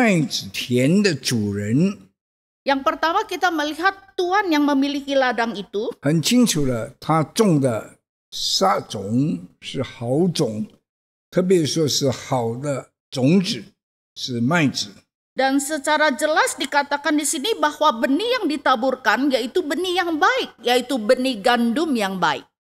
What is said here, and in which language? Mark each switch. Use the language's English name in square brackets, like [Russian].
[Chinese] 第一件事是这个麦子田的主人。 [Indonesian] Yang pertama kita melihat Tuhan yang memiliki ladang itu. [Chinese] 很清楚了，他种的撒种是好种。 [Indonesian] Dan secara jelas dikatakan di sini bahwa benih yang ditaburkan yaitu benih yang baik, yaitu benih gandum yang baik.